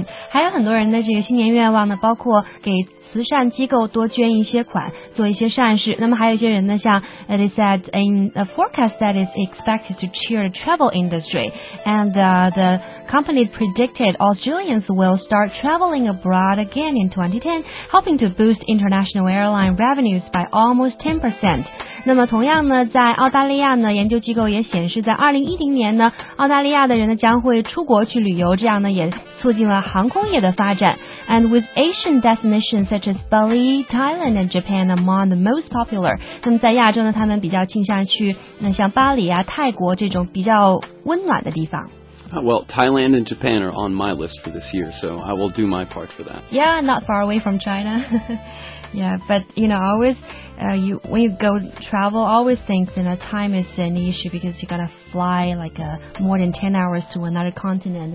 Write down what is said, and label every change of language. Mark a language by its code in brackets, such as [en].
[zh] 还有很多人的这个新年愿望呢，包括给慈善机构多捐一些款，做一些善事。那么还有一些人呢，像 [en] it is said in a forecast that is expected to cheer the travel industry, and the company predicted Australians will start traveling abroad again in 2010, helping to boost international airline revenues by almost 10%. [zh] 那么同样呢，在澳大利亚呢，研究机构也显示，在2010年呢，澳大利亚的人呢将会出国去旅游，这样呢也促进了航空业的发展。 [en] And with Asian destinations such as Bali, Thailand, and Japan among the most popular. [zh] 那么在亚洲呢，他们比较倾向去那像巴黎啊、泰国这种比较温暖的地方。 [en] Well, Thailand and Japan are on my list for this year, so I will do my part for that. Yeah, not far away from China. Yeah, but, always, when you go travel, always think that time is an issue because you got to fly more than 10 hours to another continent.